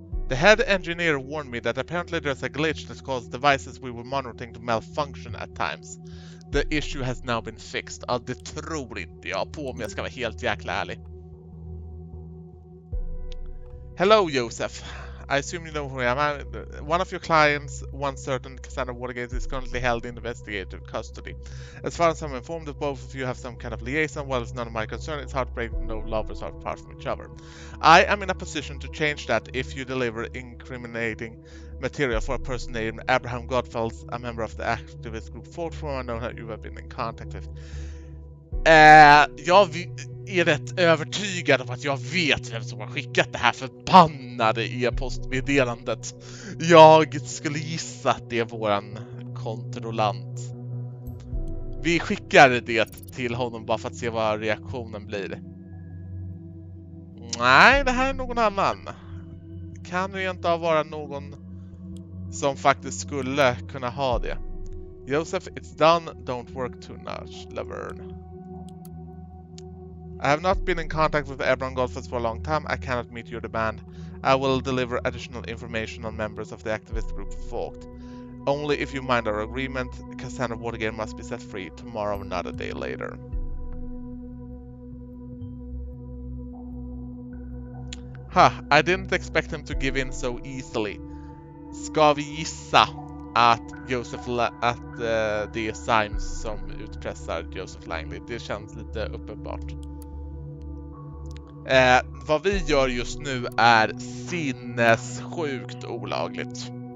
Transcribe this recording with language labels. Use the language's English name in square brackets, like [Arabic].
[English] The head engineer warned me that apparently there's a glitch that caused devices we were monitoring to malfunction at times. The issue has now been fixed. [Swedish] Ja, det tror inte jag på om jag ska vara helt jäkla ärlig. [English] Hello, Joseph. I assume you know who I am. One of your clients, one certain Cassandra Watergate, is currently held in investigative custody. As far as I'm informed, if both of you have some kind of liaison, well, it's none of my concern. It's heartbreaking to know lovers are apart from each other. I am in a position to change that if you deliver incriminating material for a person named Abraham Gottfeld, a member of the activist group Fort Form. I know that you have been in contact with. [Swedish] Jag är rätt övertygad om att jag vet vem som har skickat det här förbannade e-postmeddelandet. Jag skulle gissa att det är våran kontrollant. Vi skickar det till honom bara för att se vad reaktionen blir. Nej, det här är någon annan. Kan det inte vara någon som faktiskt skulle kunna ha det? [English] Joseph, it's done. Don't work too much, Laverne. I have not been in contact with Abraham Goldfuss for a long time. I cannot meet your demand. I will deliver additional information on members of the activist group Forked. Only if you mind our agreement, Cassandra Watergate must be set free tomorrow, not a day later. Huh, I didn't expect him to give in so easily. [Swedish] Ska vi gissa att Joseph det är Symes som utpressar Joseph Langley? Det känns lite uppenbart. Vad vi gör just nu är sinnessjukt olagligt.